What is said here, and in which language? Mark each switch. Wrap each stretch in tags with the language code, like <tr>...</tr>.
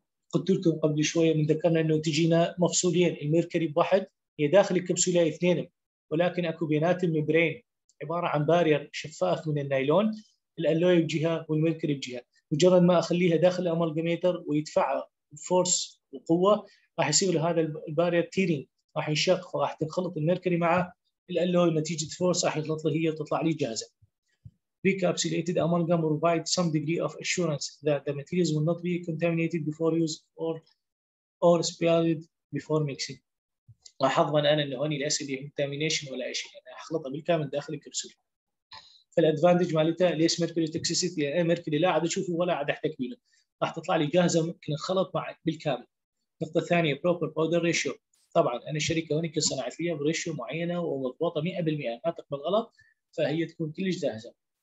<ar>قلت لكم قبل شوية من ذكرنا إنه تجينا مفصولين، الميركري بواحد هي داخل الكبسولة اثنين، ولكن اكو بينات الميمبرين عبارة عن بارير شفاف من النايلون، الالوي بجهة والميركري بجهة، مجرد ما اخليها داخل الامالجميتر ويدفع فورس وقوة راح يصير لهذا البارير تيرينج، راح ينشق وراح تنخلط الميركري مع الالوي، نتيجة فورس راح يخلط لي هي وتطلع لي جاهزة.</ar> <en>Recapsulated amalgam provide some degree of assurance that the materials will not be contaminated before use or spoiled before mixing.</en> <ar>راح اضمن انا انه هوني ليس لي كونتامينيشن ولا اي شيء، انا اخلطها بالكامل داخل الكبسوله. فالادفانتج مالتها ليس ميركوري توكسيسيتي، يعني ميركوري لا عاد اشوفه ولا عاد احتك منه، راح تطلع لي جاهزه ممكن انخلط معك بالكامل. النقطه الثانيه بروبر باودر ريشيو، طبعا انا الشركه هوني كل صنعت لي بريشيو معينه ومضبوطه 100% ما تقبل غلط، فهي تكون كلش جاهزه.</ar>